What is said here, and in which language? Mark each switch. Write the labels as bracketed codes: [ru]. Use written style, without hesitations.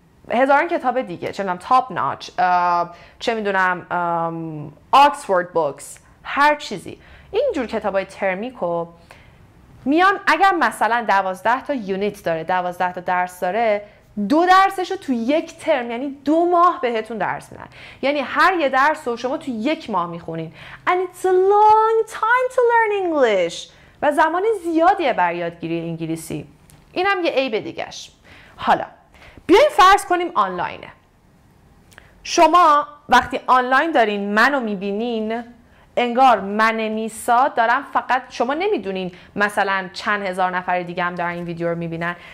[fa] هزاران کتاب دیگه، چه میدونم Top Notch، چه میدونم Oxford Books، هر چیزی. این جور کتابای ترمیکو میان اگر مثلا 12 تا یونیت داره، 12 تا درس داره، 2 درسشو تو یک ترم، یعنی 2 ماه بهتون درس میدن. یعنی هر یه درسو شما تو 1 ماه میخونین. [en] And it's a long time to learn English. [fa] و زمان زیادیه بر یادگیری انگلیسی. اینم یه عیب دیگش. حالا بیاین فرض کنیم آنلاینه. شما وقتی آنلاین دارین منو میبینین، انگار من نیسا دارم، فقط شما نمیدونین مثلا چند هزار نفر دیگه هم دارن این ویدیو رو میبینن.